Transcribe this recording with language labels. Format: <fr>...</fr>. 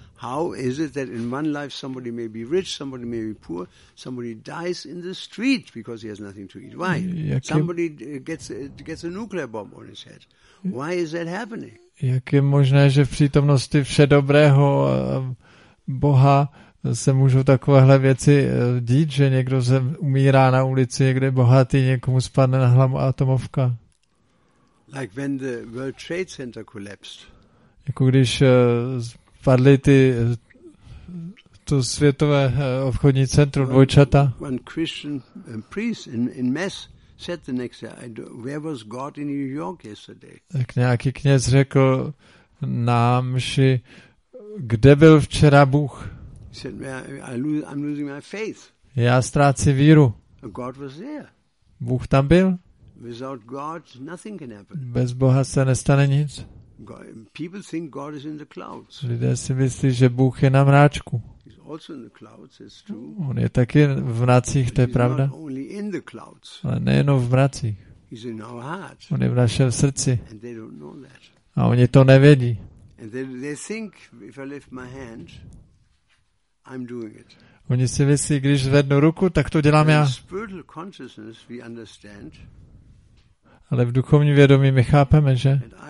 <en>How is it that in one life somebody may be rich, somebody may be poor, somebody dies in the street because he has nothing to eat? Why? Somebody gets a nuclear bomb on his head. Why is that happening?</en> <cs>Jak je možné, že v přítomnosti všedobrého Boha se můžou takovéhle věci dít, že někdo umírá na ulici, někde bohatý, někomu spadne na hlavu atomovka?</cs> <en>Like when the World Trade Center collapsed.</en> <cs>Jako když padly to světové obchodní centrum dvojčata.</cs> <en>One Christian priest in mass said the next day, where was God in New York yesterday?</en> <cs>Tak nějaký kněz řekl na mši, kde byl včera Bůh?</cs> <en>He said, I'm losing my faith.</en> <cs>Já ztrácím víru.</cs> <en>God was there.</en> <cs>Bůh tam byl.</cs> <en>Without God, nothing can happen.</en> <cs>Bez Boha se nestane nic.</cs> <en>People think God is in the clouds.</en> <cs>Lidé si myslí, že Bůh je na mráčku.</cs> <en>He's also in the clouds. It's true.</en> <cs>On je taky v mracích, to je pravda.</cs> <en>He's not only in the clouds.</en> <cs>Ale nejenom v mracích.</cs> <en>He's in our heart.</en> <cs>On je v našem srdci.</cs> <en>And they don't know that.</en> <cs>A oni to nevědí.</cs> <en>And they think if I lift my hand, I'm doing it.</en> <cs>Oni si myslí, když zvednu ruku, tak to dělám já.</cs> <en>Spiritual consciousness, we understand.</en> <cs>Ale v duchovní vědomí my chápeme, že?</cs>